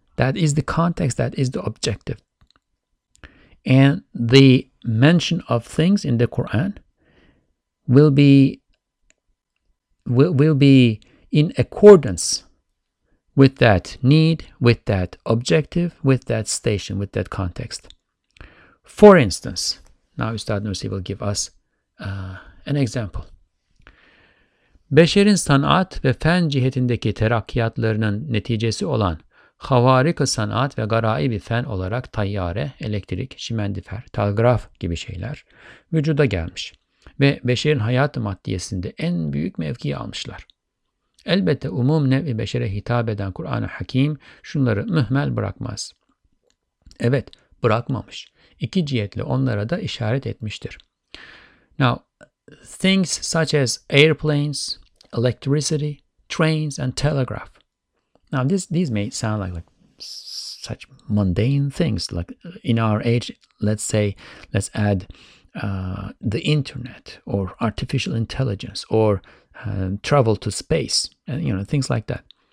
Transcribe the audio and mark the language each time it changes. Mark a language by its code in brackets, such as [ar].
[en] That is the context. That is the objective. And the mention of things in the Quran will be in accordance with that need, with that objective, with that station, with that context. For instance, now Ustad Nursi will give us an example. [tr] Beşerin sanat ve fen cihetindeki terakkiyatlarının neticesi olan havarika sanat ve garaibi fen olarak tayyare, elektrik, şimendifer, telgraf gibi şeyler vücuda gelmiş ve beşerin hayat maddiyesinde en büyük mevkiyi almışlar. Elbette umum nev-i beşere hitap eden Kur'an-ı Hakim şunları mühmel bırakmaz. Evet, bırakmamış. İki cihetle onlara da işaret etmiştir. [en] Now, things such as airplanes, electricity, trains, and telegraph. Now, these may sound like such mundane things. Like in our age, let's add the internet or artificial intelligence or travel to space, and, you know, things like that.